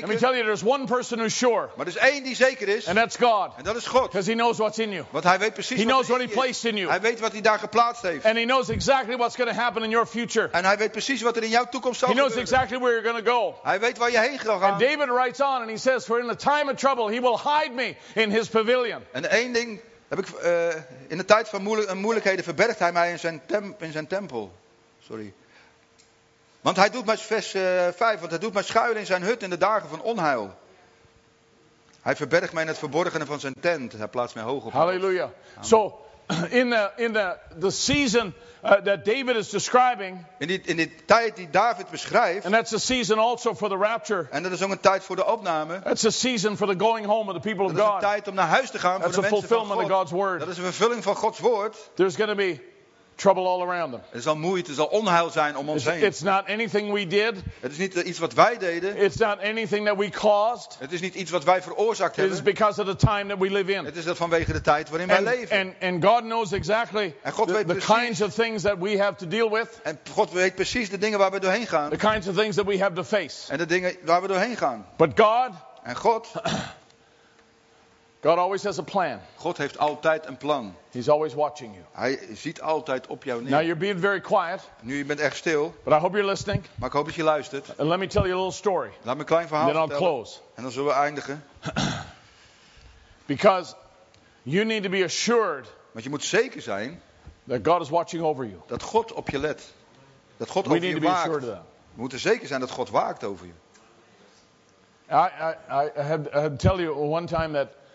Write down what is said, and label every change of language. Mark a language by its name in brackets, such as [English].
[English] Let me tell you, there's one person who's sure. [Dutch] Maar er is één die zeker is. [English] And that's God. [Dutch] En dat is God. [English] Because He knows what's in you. [Dutch] Want Hij weet precies. [English] He knows what He placed in you. [Dutch] Hij weet wat Hij daar geplaatst heeft. [English] And He knows exactly what's going to happen in your future. [Dutch] En Hij weet precies wat er in jouw toekomst zal gebeuren. [English] He knows exactly where you're going to go. [Dutch] Hij weet waar je heen gaat. [English] And David writes on and he says, for in the time of trouble he will hide me in his pavilion. [Dutch] En één ding heb ik in de tijd van moeilijkheden verbergt hij mij in zijn tempel. Sorry. Want hij doet mij vers 5, want hij doet mij schuilen in zijn hut in de dagen van onheil. Hij verbergt mij in het verborgene van zijn tent. Hij plaatst mij hoog op. Halleluja. [English] So in the season that David is describing, [Dutch] in die tijd die David beschrijft, [English] and that's a season also for the rapture. [Dutch] En dat is ook een tijd voor de opname. [English] That's a season for the going home of the people of God. [Dutch] Dat is een tijd om naar huis te gaan [English] that's [Dutch] voor de mensen van God. [English] That's a fulfillment of God's word. [Dutch] Dat is een vervulling van Gods woord. [English] There's going to be trouble all around them. [Dutch] Er zal moeite, er zal onheil zijn om ons heen. [English] It's not anything we did. [Dutch] Het is niet iets wat wij deden. [English] It's not anything that we caused. [Dutch] Het is niet iets wat wij veroorzaakt hebben. [English] It is because of the time that we live in. [Dutch] Het is dat vanwege de tijd waarin wij leven. [English] And God knows exactly the kinds of things that we have to deal with. [Dutch] En God weet precies de dingen waar we doorheen gaan. [English] The kinds of things that we have to face. [Dutch] En de dingen waar we doorheen gaan. [English] But God. [Dutch] En God. [English] God always has a plan. [Dutch] God heeft altijd een plan. [English] He's always watching you. [Dutch] Hij ziet altijd op jou neer. [English] Now you're being very quiet. [Dutch] Nu je bent echt stil. [English] But I hope you're listening. [Dutch] Maar ik hoop dat je luistert. [English] And let me tell you a little story. [Dutch] Laat me een klein verhaal [English] then [Dutch] vertellen. [English] I'll close. [Dutch] En dan zullen we eindigen. [English] Because you need to be assured. [Dutch] Want je moet zeker zijn. [English] That God is watching over you. [Dutch] Dat God op je let. Dat God [English] we [Dutch] over [English] need [Dutch] je [English] to [Dutch] waakt. [English] Be assured of that. [Dutch] We moeten zeker zijn dat God waakt over je. [English] I had to tell you one time that.